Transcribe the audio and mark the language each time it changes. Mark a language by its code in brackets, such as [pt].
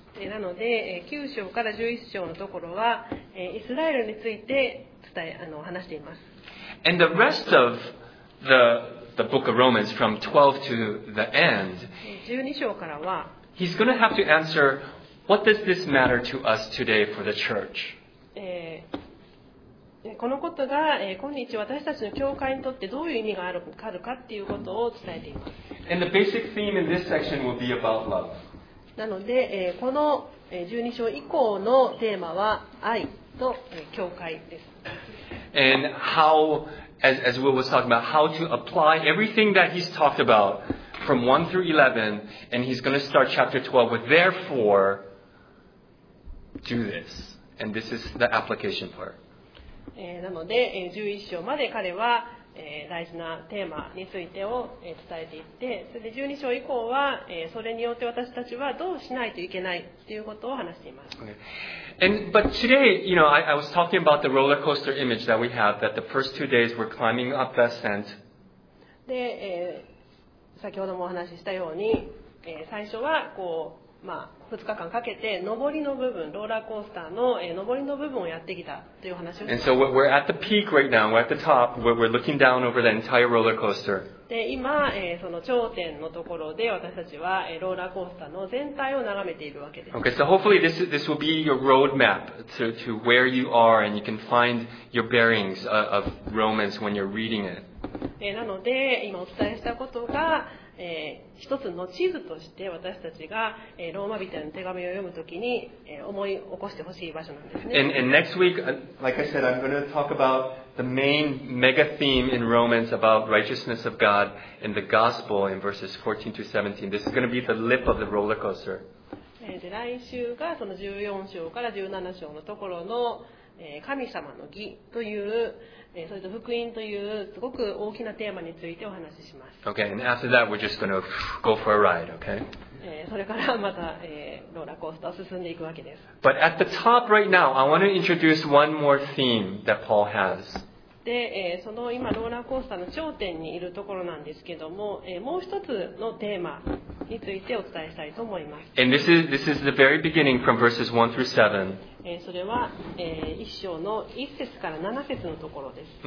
[ja] なので、9章から11章のところは、イスラエルについて話しています。 [en] And the rest of the book of Romans from 12 to the end, [ja] 12章からは、 [en] he's going to have to answerWhat does this matter to us today for the church? [ja] このことが、今日私たちの教会にとってどういう意味があるかっていうことを伝えています。 [en] And the basic theme in this section will be about love. [ja] なので、この12章以降のテーマは愛と、教会です。 [en] And how as Will was talking about, how to apply everything that he's talked about from 1 through 11, and he's going to start chapter 12 with, therefore, do this. And this is the application part. [ja] なので、11章まで彼は、大事なテーマについてを、伝えていって、それで12章以降は、それによって私たちはどうしないといけないということを話しています。 [en] Okay. And, but today, you know, I was talking about the roller coaster image that we have, that the first 2 days we're climbing up the ascent. [ja] で、先ほどもお話ししたように、最初はこう、まあ、2日間かけて上りの部分、ローラーコースターの上りの部分をやってきたという話をします。 [en] And so we're at the peak right now. We're at the top. We're looking down over the entire roller coaster. [ja] で、今、その頂点のところで私たちはローラーコースターの全体を眺めているわけです。 [en] Okay, so hopefully this will be your roadmap to where you are and you can find your bearings of Romans when you're reading it. [ja] なので、今お伝えしたことが一つの地図として私たちが、ローマ人への手紙を読むときに、思い起こしてほしい場所なんですね。 [en] And next week, like I said, I'm going to talk about the main mega theme in Romans about righteousness of God and the gospel in verses 14 to 17. This is going to be the lip of the roller coaster. [ja] で、来週がその14章から17章のところの、神様の義というそれと福音というすごく大きなテーマについてお話しします。 [en] Okay, and after that we're just gonna go for a ride, okay? [ja] それからまた、ローラーコースターを進んでいくわけです。 [en] But at the top right now, I want to introduce one more theme that Paul has. [ja] で、その今ローラーコースターの頂点にいるところなんですけども、もう一つのテーマについてお伝えしたいと思います。 [en] And this is the very beginning from verses 1 through 7. [ja] それは、一章の一節から七節のところです。